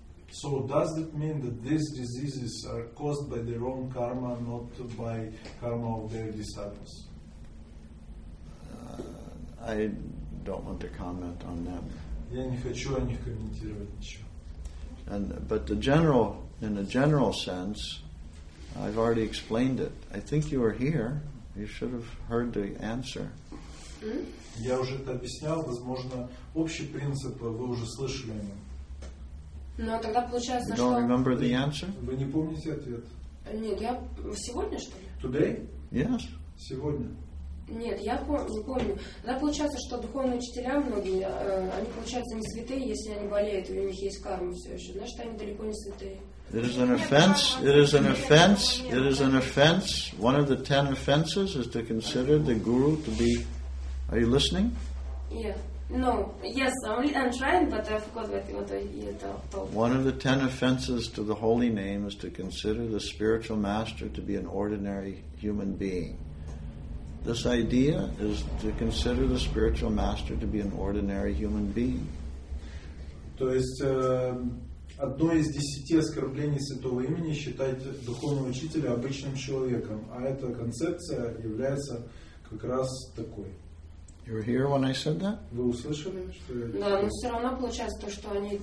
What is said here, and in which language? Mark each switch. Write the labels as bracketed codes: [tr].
[en] So does it mean that these diseases are caused by their own karma, not by karma of their disciples? I don't want to comment on that. [ru] Я не хочу о них комментировать ничего. [en] And but the general, in a general sense, I've already explained it. I think you were here. You should have heard the answer. [ru] Я уже это объяснял. Возможно, общий принцип вы уже слышали о нем. Но тогда получается, что [en] you don't remember the answer? [ru] Вы не помните ответ? Нет, я сегодня что ли? [en] Today? Yes. [ru] Сегодня. Нет, я не помню. Тогда получается, что духовные учителя многие, они получаются не святые, если они болеют, и у них есть карма все еще. Значит, они далеко не святые. [en] It is an offense. It is an offense. It is an offense. One of the 10 offenses is to consider the guru to be... Are you listening? Yeah. No. Yes, I'm trying, but I forgot what you told. One of the 10 offenses to the holy name is to consider the spiritual master to be an ordinary human being. This idea is to consider the spiritual master to be an ordinary human being. [ru] То есть одно из десяти оскорблений святого имени считать духовного учителя обычным человеком, а эта концепция является как раз такой. [en] You were here when I said that? [ru] Вы услышали, что я? Да, но все равно получается то, что они.